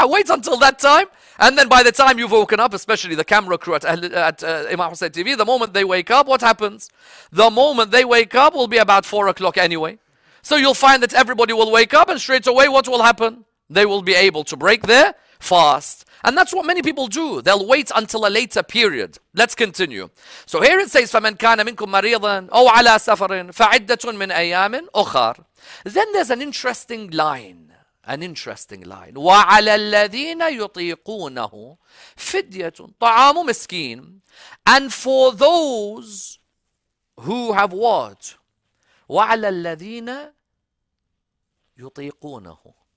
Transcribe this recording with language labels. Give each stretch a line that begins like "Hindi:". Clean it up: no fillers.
English: Wait until that time. And then by the time you've woken up, especially the camera crew at Imam Hussein TV, the moment they wake up, what happens? The moment they wake up will be about 4 o'clock anyway. So you'll find that everybody will wake up and straight away what will happen? They will be able to break their fast. And that's what many people do. They'll wait until a later period. Let's continue. So here it says,
Arabic: فَمَنْ كَانَ مِنْكُمْ مَرِيضًا أَوْ عَلَىٰ سَفَرٍ فَعِدَّةٌ مِنْ أَيَّامٍ أُخَرٍ.
English: Then there's an interesting line.
Arabic: وَعَلَى الَّذِينَ يُطِيقُونَهُ فِدْيَةٌ طَعَامُ مِسْكِينٍ.
English: And for those who have what?
Arabic: وَعَلَى الَّذِينَ يُطِيقُونَهُ.